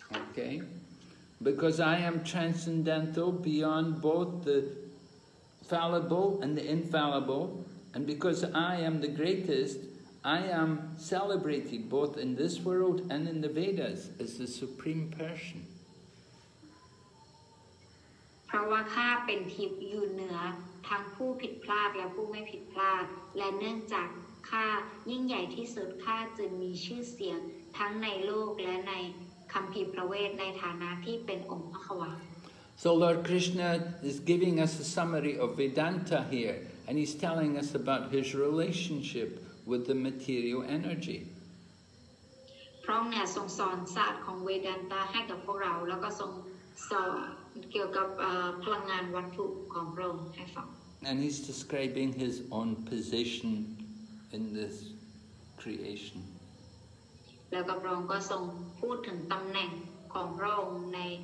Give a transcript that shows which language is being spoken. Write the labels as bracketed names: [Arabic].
[English] Okay. Because I am transcendental beyond both the fallible and the infallible, and because I am the greatest, I am celebrated both in this world and in the Vedas as the Supreme Person. [Thai] เพราะว่าข้าเป็นทิพย์อยู่เหนือทั้งผู้ผิดพลาดและผู้ไม่ผิดพลาดและเนื่องจากข้ายิ่งใหญ่ที่สุดข้าจึงมีชื่อเสียงทั้งในโลกและในคัมภีร์พระเวทในฐานะที่เป็นองค์อัครวา [English] So Lord Krishna is giving us a summary of Vedanta here, and he's telling us about his relationship with the material energy. [Thai] พระองค์เนี่ยทรงสอนศาสตร์ของเวดันตาให้กับพวกเราแล้วก็ทรงสอนเกี่ยวกับพลังงานวัตถุของพระองค์ให้ฟัง [English] And he's describing his own position in this creation. [Thai] แล้วก็พระองค์ก็ทรงพูดถึงตำแหน่งของพระองค์ใน